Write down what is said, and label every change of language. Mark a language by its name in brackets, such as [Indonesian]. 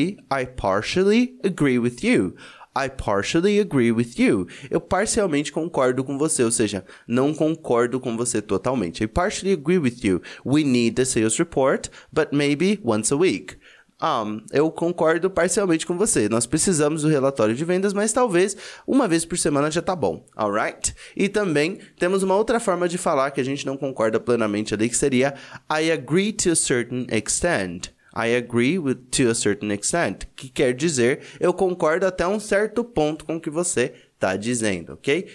[English] I partially agree with you. I partially agree with you. [Portuguese] Eu parcialmente concordo com você, ou seja, não concordo com você totalmente. [English] I partially agree with you. We need a sales report, but maybe once a week. [Portuguese] Eu concordo parcialmente com você. Nós precisamos do relatório de vendas, mas talvez uma vez por semana já tá bom. Alright? E também temos uma outra forma de falar que a gente não concorda plenamente ali, que seria [English] I agree to a certain extent. I agree to a certain extent, [Portuguese] que quer dizer, eu concordo até um certo ponto com o que você está dizendo, ok?